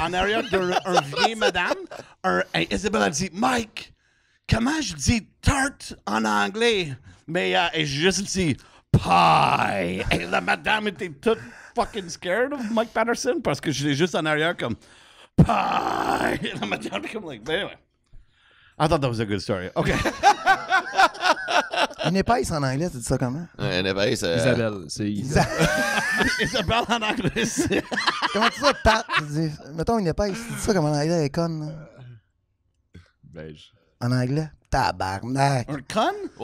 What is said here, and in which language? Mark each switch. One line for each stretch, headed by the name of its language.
French: En arrière d'un vieil madame, et Isabelle a dit, Mike, comment je dis tarte en anglais? Mais et je juste dit pie. Et la madame était toute
English: fucking scared of
French: Mike Patterson parce que j'étais juste en arrière comme pie. Et la madame était comme,
English: like, but anyway. I thought that was a good story. Okay.
French: Une épaisse en anglais, tu dis ça comment? Ouais, une épaisse. Isabelle, c'est Isabelle. Isabelle en anglais. Comment tu dis ça, Pat? Mettons une épaisse, tu dis ça comment en anglais, elle est conne. Beige. En anglais, tabarnak. Un con?